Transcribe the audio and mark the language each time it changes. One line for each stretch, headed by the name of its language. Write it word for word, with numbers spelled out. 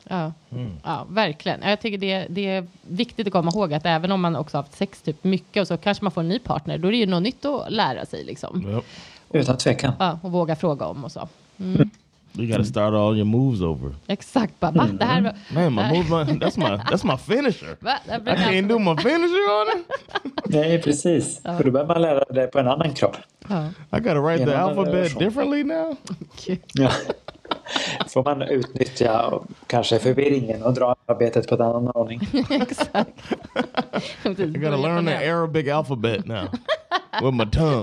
Swedish: Ja, mm. ja verkligen. Jag tycker det, det är viktigt att komma ihåg att även om man också har haft sex typ mycket, och så kanske man får en ny partner, då är det ju något nytt att lära sig. Liksom. Mm. Utan tvekan. Ja, och våga fråga om och så. Mm.
English: You gotta start all your moves over.
Swedish: Exakt, bara, mm. det här var...
English: Man, my move, my, that's, my, that's my finisher. I can't do my finisher on it.
Swedish: Nej, precis. För då börjar man lära det på en annan kropp.
English: I gotta write the alphabet differently now. Okay.
Swedish: Ja. Får man utnyttja och kanske förvirringen och dra arbetet på en annan ordning. Exakt.
English: I gotta learn the Arabic alphabet now. With my tongue.